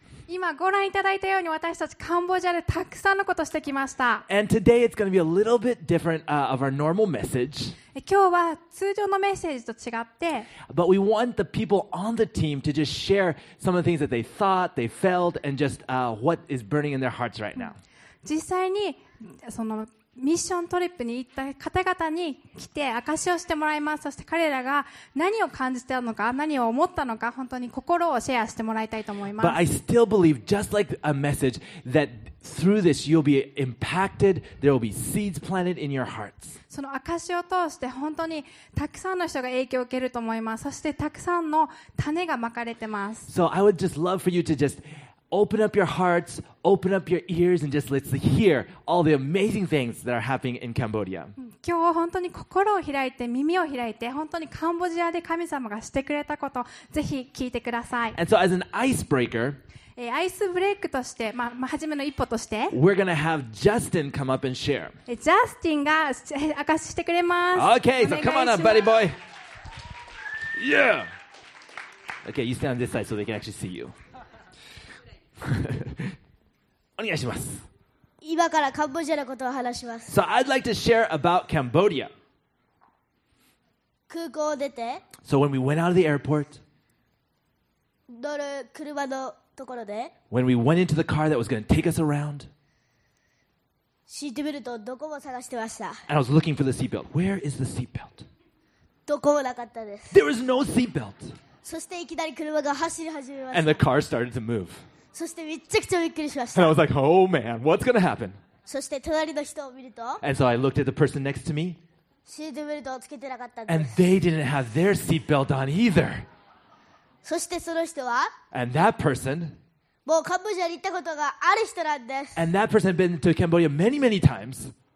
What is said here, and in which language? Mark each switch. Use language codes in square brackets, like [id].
[ja] 今ご覧いただいたように私たちカンボジアでたくさんのことをしてきました。 [en] And today it's going to be a little bit different of our normal message. [ja] 今日は通常のメッセージと違って。 [en] But we want the people on the team to just share some of the things that they thought, they felt, and just what is burning in their hearts right now. [ja] 実際にそのミッショントリップに行った方々に来て証しをしてもらいます。そして彼らが何を感じているのか何を思ったのか本当に心をシェアしてもらいたいと思います。 [en] But I still believe just like a message that through this you'll be impacted there will be seeds planted in your hearts. [ja] その証しを通して本当にたくさんの人が影響を受けると思います。そしてたくさんの種がまかれてます。 [en] So I would just love for you to justOpen up your hearts, open up your ears, and just let's hear all the amazing things that are happening in Cambodia. [ja] 今日本当に心を開いて、耳を開いて、本当にカンボジアで神様がしてくれたこと、ぜひ聞いてください。 [en] And so as an icebreaker, [ja] アイスブレイクとして、初めの一歩として、 [en] we're going to have Justin come up and share. [ja] Justin が明かししてくれます。 [en] Okay, so come on up, buddy boy. Yeah! Okay, you stand on this side so they can actually see you. [ja] お願いします。今からカンボジアのことを話します。 [en] So I'd like to share about Cambodia. [ja] 空港を出て。 [en] So when we went out of the airport. [ja] 乗る車のところで。 [en] When we went into the car that was going to take us around. [ja] シートベルトをどこも探してました。 [en] And I was looking for the seat belt. Where is the seat belt? [ja] どこもなかったです。 [en] There was no seat belt. [ja] そしていきなり車が走り始めました。 [en] And the car started to move. [ja] そしてめちゃくちゃびっくりしました。 [en] And I was like, oh man, what's gonna happen? [ja] そして隣の人を見ると、 [en] And so I looked at the person next to me. [ja] シートベルトをつけてなかったんです。 [en] And they didn't have their seatbelt on either. [ja] そしてその人は、 [en] And that person, [ja] もうカンボジアに行ったことがある人なんです。 [en] And that person had been to Cambodia many, many times.